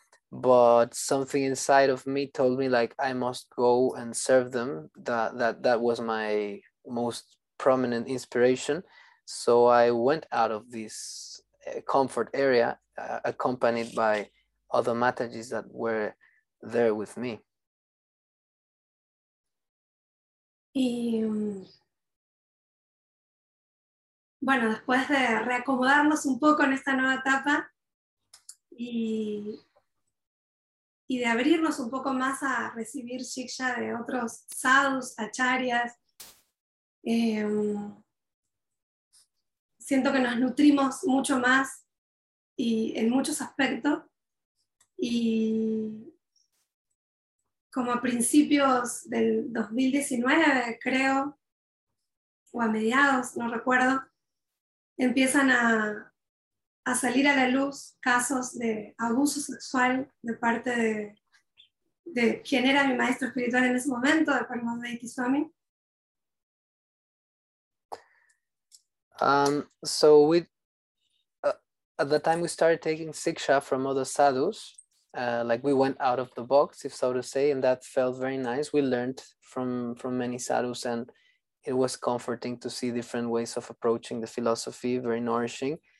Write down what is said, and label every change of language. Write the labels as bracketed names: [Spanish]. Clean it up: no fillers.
[English] But something inside of me told me like I must go and serve them. That was my most prominent inspiration. So I went out of this comfort area, accompanied by other Matajis that were there with me. [Spanish] Y bueno, después de reacomodarnos un poco en esta nueva etapa y de abrirnos un poco más a recibir shiksha de otros sadhus, acharyas, siento que nos nutrimos mucho más y en muchos aspectos. Y como a principios del 2019, creo, o a mediados, no recuerdo, empiezan a salir a la luz casos de abuso sexual de parte de quien era mi maestro espiritual en ese momento, de Paramahansa Yogananda. [English] At the time we started taking siksha from other sadhus, like we went out of the box, if so to say, and that felt very nice. We learned from many sadhus, and it was comforting to see different ways of approaching the philosophy, very nourishing.